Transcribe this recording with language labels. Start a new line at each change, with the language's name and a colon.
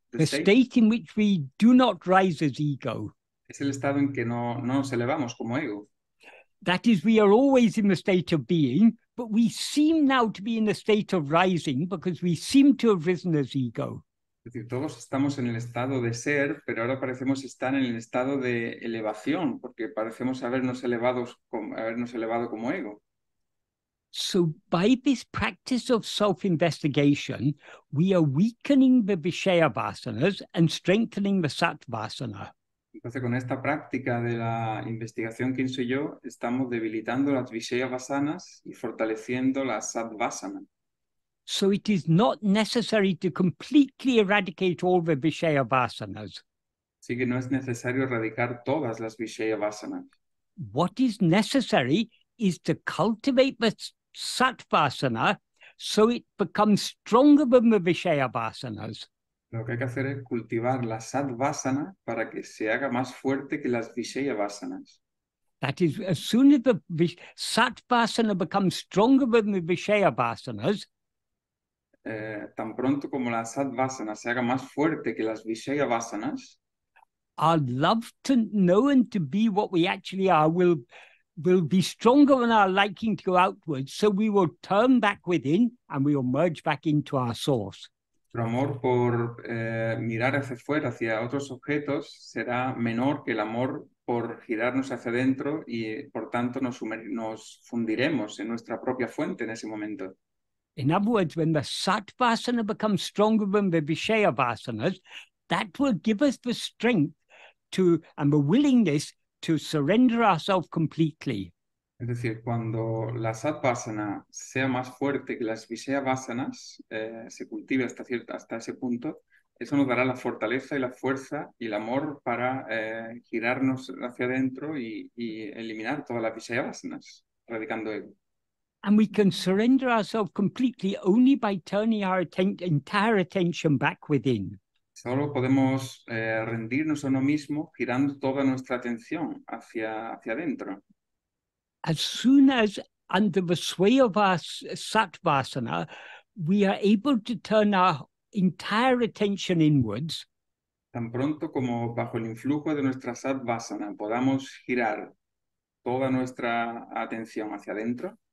English: the state in which we do not rise as ego.
Spanish: Es el estado en que no nos elevamos como ego.
English: That is, we are always in the state of being, but we seem now to be in the state of rising because we seem to have risen as ego.
Spanish: Es decir, todos estamos en el estado de ser, pero ahora parecemos estar en el estado de elevación, porque parecemos habernos elevado como ego.
English: So by this practice of self-investigation, we are weakening the viṣeya vasanas and strengthening the sattvasana.
Spanish: Entonces, con esta práctica de la investigación quién soy yo, estamos debilitando las viṣeya vasanas y fortaleciendo la sattvasana.
English: So it is not necessary to completely eradicate all the viṣeya vasanas.
Spanish: Así que no es necesario erradicar todas las viṣeya vasanas.
English: What is necessary is to cultivate the sattvasana so it becomes stronger than the viṣeya vasanas.
Spanish: Lo que hay que hacer es cultivar la sattvasana para que se haga más fuerte que las viṣeya vasanas.
English: That is, as soon as the sattvasana becomes stronger than the viṣeya vasanas,
Spanish: tan pronto como la sattvasana se haga más fuerte que las viṣeya vasanas,
English: our love to know and to be what we actually are will be stronger than our liking to go outwards, so we will turn back within and we will merge back into our source.
Spanish: Nuestro amor por mirar hacia fuera, hacia otros objetos, será menor que el amor por girarnos hacia adentro y, por tanto, nos fundiremos en nuestra propia fuente en ese momento.
English: In other words, when the sattvasana becomes stronger than the viṣeya vasanas, that will give us the strength to and the willingness to surrender ourselves completely.
Spanish: Es decir, cuando la sattvasana sea más fuerte que las viṣeya vasanas, se cultive hasta ese punto, eso nos dará la fortaleza y la fuerza y el amor para girarnos hacia adentro y eliminar todas las viṣeya vasanas, erradicando ego.
English: And we can surrender ourselves completely only by turning our entire attention back within.
Spanish: Solo podemos rendirnos a uno mismo girando toda nuestra atención hacia adentro.
English: As soon as, under the sway of our sattvasana, we are able to turn our entire attention inwards,
Spanish: tan pronto como bajo el influjo de nuestra sattvasana podamos girar toda nuestra atención hacia adentro,